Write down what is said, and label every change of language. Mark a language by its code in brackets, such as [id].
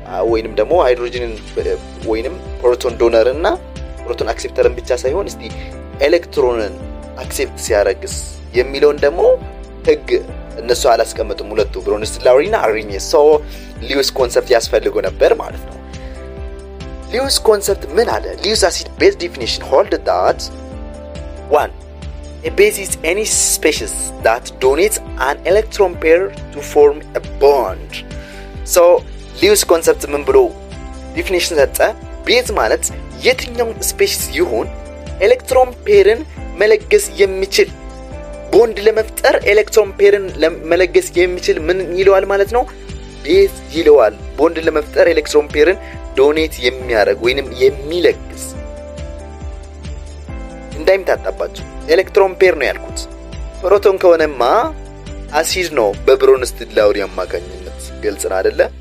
[am] ወይንም ደግሞ ሃይድሮጂንን ወይንም ፕሮቶን ዶነርና ፕሮቶን አክሴፕተርን ብቻ ሳይሆን እስቲ ኤሌክትሮንን አክሴፕት ሲያረግስ የሚለውን ደግሞ ህግ እነሱ አላስቀመጡም ሁለቱ ብሩንስትን ላውሪና አሪኒየስ። ሶ ሊዩስ ኮንሰፕት ያስፈልጎ ነበር ማለት ነው። ሊዩስ ኮንሰፕት ምን አለ? [en] ሊዩስ አሲድ ቤዝ ዲፊኒሽን ሆልድ ዳት 1 A base is any species that donates an electron pair to form a bond. So, Lewis concept membro definition that [am] base ማለት የትኛው species ይሁን electron pairን መለገስ የሚችል bond ለመፍጠር electron pairን መለገስ የሚችል ምን ይለዋል ማለት ነው? base ይለዋል። bond ለመፍጠር electron pairን donate የሚያደርግ ወይንም የሚለግስ እንደም ታጣባችሁ ኤሌክትሮን ፔር ነው ያልኩት። ፕሮቶን ከሆነማ አሲድ ነው በብሩንስትን ላውሪ አማካኝነት ግልጽ ነው አይደለ?